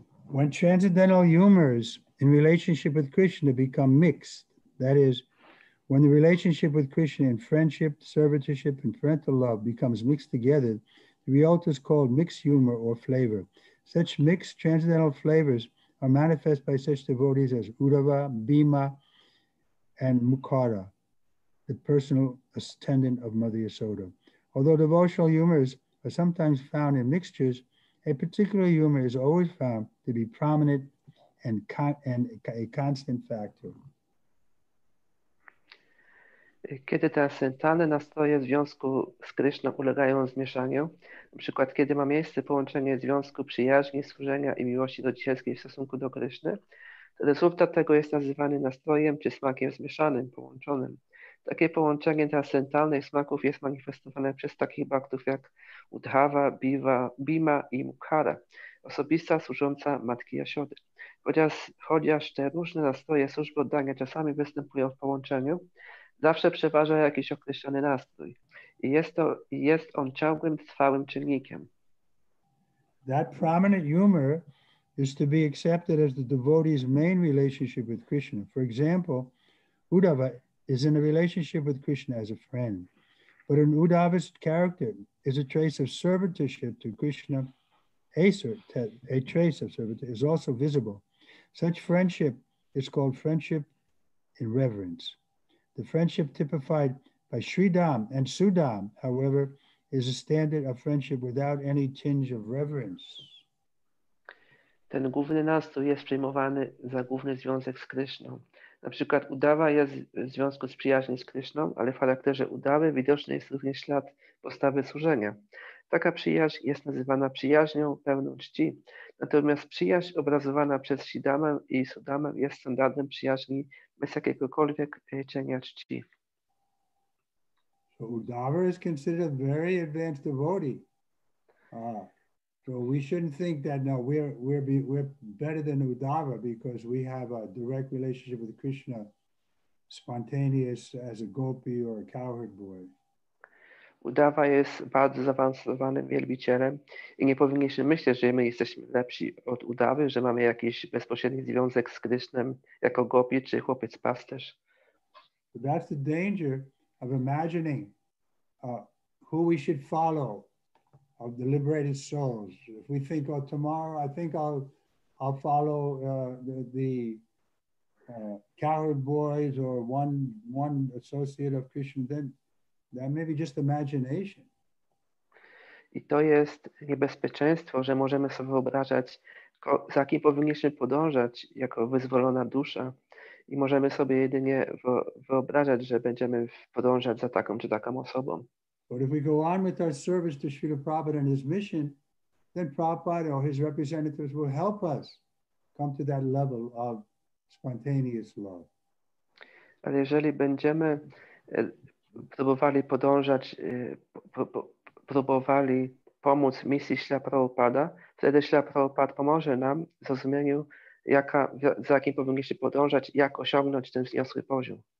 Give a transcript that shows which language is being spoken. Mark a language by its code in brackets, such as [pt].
[en] When transcendental humors in relationship with Krishna become mixed, that is, when the relationship with Krishna and friendship, servitorship, and parental love becomes mixed together, the result is called mixed humor or flavor. Such mixed transcendental flavors are manifest by such devotees as Uddhava, Bhima, and Mukara, the personal attendant of Mother Yasoda. Although devotional humors are sometimes found in mixtures, a particular humor is always found to be prominent and a constant factor. [pl] Kiedy transcendentalne nastroje w związku z Kryszną ulegają zmieszaniu, na przykład kiedy ma miejsce połączenie związku przyjaźni, służenia i miłości rodzicielskiej w stosunku do Kryszny, to rezultat tego jest nazywany nastrojem czy smakiem zmieszanym, połączonym. Takie połączenie transcendentalnych smaków jest manifestowane przez takich bhaktów jak Uddhava, Bhima i Mukhara, osobista służąca matki Jasiody. Chociaż te różne nastroje służby oddania czasami występują w połączeniu, zawsze przeważa jakiś określony nastrój i jest on ciągłym, trwałym czynnikiem. [en] That prominent humor is to be accepted as the devotee's main relationship with Krishna. For example, Uddhava is in a relationship with Krishna as a friend, but an Uddhava's character is a trace of servitorship to Krishna. A trace of servitorship is also visible. Such friendship is called friendship in reverence. The friendship typified by Sridham and Sudham, however, is a standard of friendship without any tinge of reverence. [pl] Ten główny nastrój jest przyjmowany za główny związek z Kryszną. Na przykład Udawa jest w związku z przyjaźnią z Kryszną, ale w charakterze Udawy widoczny jest również ślad postawy służenia. Taka przyjaźń jest nazywana przyjaźnią pełną czci. Natomiast przyjaźń obrazowana przez Sridhamę i Sudhamę jest standardem przyjaźni bez jakiegokolwiek cienia czci. [en] So Uddhava is considered a very advanced devotee. So we shouldn't think that no, we're better than Uddhava because we have a direct relationship with Krishna, spontaneous as a gopi or a cowherd boy. [pl] Uddhava jest bardzo zaawansowanym wielbicielem i nie powinniśmy myśleć, że my jesteśmy lepsi od Uddhavy, że mamy jakiś bezpośredni związek z Krishnem jako gopi czy chłopiec pasterz. [en] But that's the danger of imagining who we should follow of the liberated souls. If we think, oh, tomorrow I think I'll follow the cowherd boys or one associate of Krishna, then that may be just imagination. [pl] I to jest niebezpieczeństwo, że możemy sobie wyobrażać, za kim powinniśmy podążać jako wyzwolona dusza. I możemy sobie jedynie wyobrażać, że będziemy podążać za taką czy taką osobą. [en] But if we go on with our service to Srila Prabhupada and his mission, then Prabhupada or his representatives will help us come to that level of spontaneous love. [pl] Ale jeżeli będziemy próbowali podążać, próbowali pomóc misji Śla Prabhupada, wtedy Śla Prabhupada pomoże nam w zrozumieniu, za jakim powinniśmy podążać, jak osiągnąć ten wzniosły poziom.